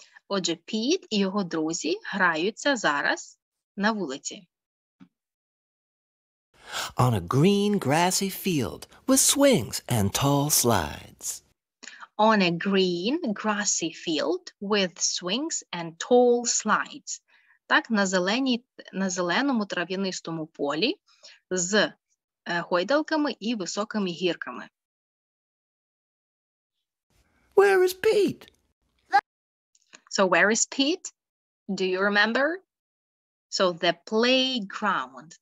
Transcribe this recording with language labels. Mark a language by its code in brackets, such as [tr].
[uk] Отже, Pete і його друзі граються зараз на вулиці. [en] On a green grassy field with swings and tall slides. On a green grassy field with swings and tall slides. [uk] Так, на зеленому трав'янистому полі з гойдалками і високими гірками. [en] Where is Pete? So where is Pete? Do you remember? So the playground.